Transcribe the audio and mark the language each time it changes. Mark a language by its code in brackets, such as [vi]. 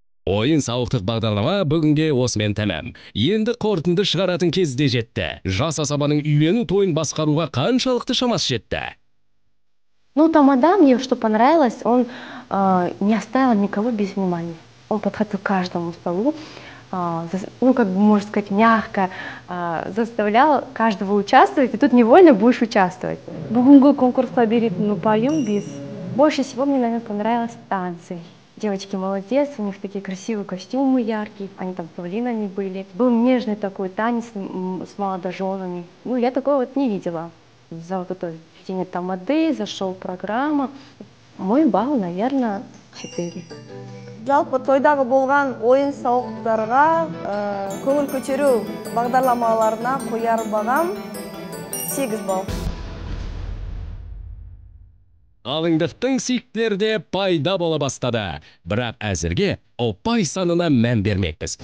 [kk] Ойын сауықтық бағдарлама бүгінге осымен тәмәм. Енді қорытынды шығаратын кезде жетті. Жас асабаның үйлену тойын басқаруға қаншалықты шамас жетті? [ru] Ну, тамада мне что понравилось, он не оставил никого без внимания. Он подходил к каждому столу, ну, как бы, можно сказать, мягко заставлял каждого участвовать, и тут невольно будешь участвовать. [kk] Бүгінгі конкурсқа беретін ұпайым бес. [ru] Больше всего мне, наверное, понравилось танцы. Девочки молодец, у них такие красивые костюмы яркие, они там павлинами были. Был нежный такой танец с молодоженами. Ну, я такого вот не видела. За вот это день тамады, за шоу-программа. Мой балл, наверное, 4. [kk] Жалпы тойдағы болған ойын сауықтарға, көңіл көтеру бағдарламаларына қояр бағам 8 балл. Қалыңдықтың сиктерде пайда бола бастады. Бірақ әзірге ұпай санына мән бермекпіз.